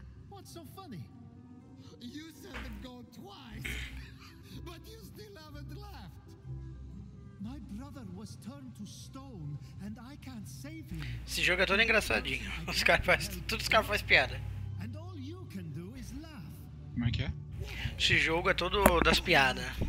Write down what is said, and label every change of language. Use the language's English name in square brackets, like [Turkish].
[English] What's so funny? You said go twice, but you still haven't left. My brother was turned to stone and I can't save him. [Portuguese] Esse jogo é todo engraçadinho. Os caras fazem tudo, os caras fazem piada. [English] And all you can do is laugh. [Portuguese] Como é que é? Esse jogo é todo das piadas.